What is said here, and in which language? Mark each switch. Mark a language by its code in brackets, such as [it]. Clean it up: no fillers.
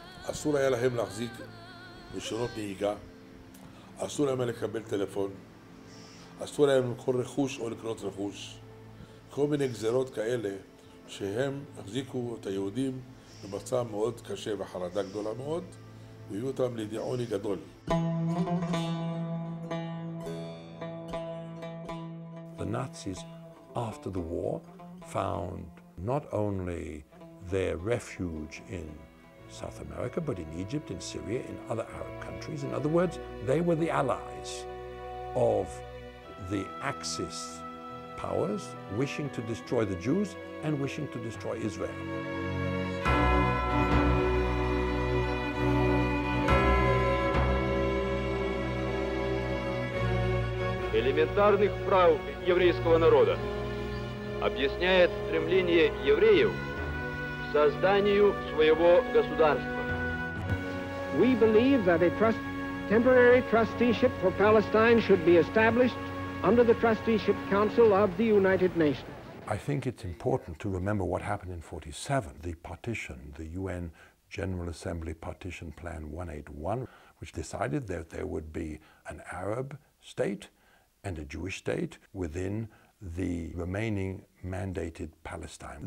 [he] אסור היה להם להחזיק רישיונות נהיגה, אסור להם לקבל טלפון, אסור להם למכור רכוש או לקנות רכוש. כל מיני גזרות כאלה שהם החזיקו את היהודים במצב מאוד קשה וחרדה גדולה מאוד, והביאו אותם לידי עוני גדול. [en] The Nazis, after the war, found not only their refuge in South America, but in Egypt, in Syria, in other Arab countries. In other words, they were the allies of the Axis powers, wishing to destroy the Jews and wishing to destroy Israel. [ru] Элементарных прав еврейского народа объясняет стремление евреев к созданию своего государства. [en] We believe that a temporary trusteeship for Palestine should be established under the Trusteeship Council of the United Nations. I think it's important to remember what happened in 47, the partition, the UN General Assembly Partition Plan 181, which decided that there would be an Arab state and a Jewish state within the remaining mandated Palestine.